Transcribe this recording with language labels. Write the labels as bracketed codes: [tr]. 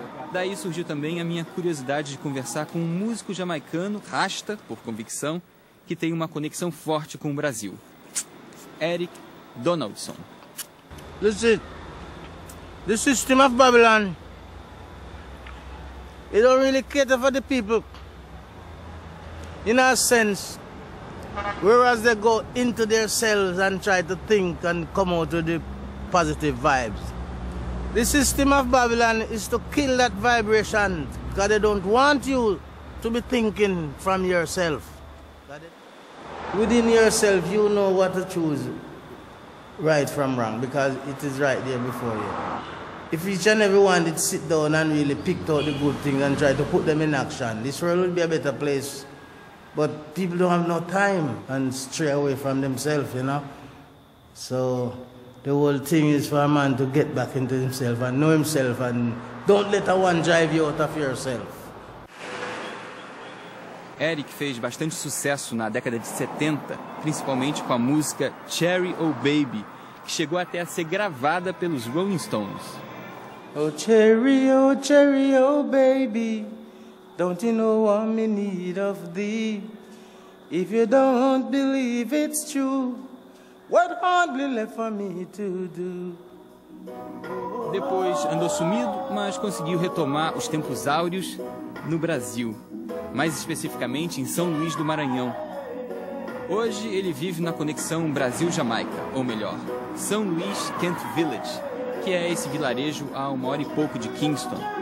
[pt] Daí surgiu também a minha curiosidade de conversar com um músico jamaicano, rasta, por convicção, que tem uma conexão forte com o Brasil. Eric Donaldson. [en] Listen, the system of Babylon, it don't really cater for the people. In a sense, whereas they go into their cells and try to think and come out with the positive vibes. The system of Babylon is to kill that vibration, because they don't want you to be thinking from yourself. Within yourself, you know what to choose, right from wrong, because it is right there before you. If each and every one did sit down and really pick out the good things and try to put them in action, this world would be a better place But people don't have no time and stray away from themselves, you know? So the whole thing is for a man to get back into himself and know himself, and don't let a one drive you out of yourself. [pt] Eric fez bastante sucesso na década de 70, principalmente com a música Cherry Oh Baby, que chegou até a ser gravada pelos Rolling Stones. [en] Oh cherry, oh baby, don't you know I'm in need of thee? If you don't believe it's true, what hardly left for me to do? [pt] Depois andou sumido, mas conseguiu retomar os tempos áureos no Brasil, mais especificamente em São Luís do Maranhão. Hoje ele vive na conexão Brasil-Jamaica, ou melhor, São Luís-Kent Village, que é esse vilarejo a uma hora e pouco de Kingston.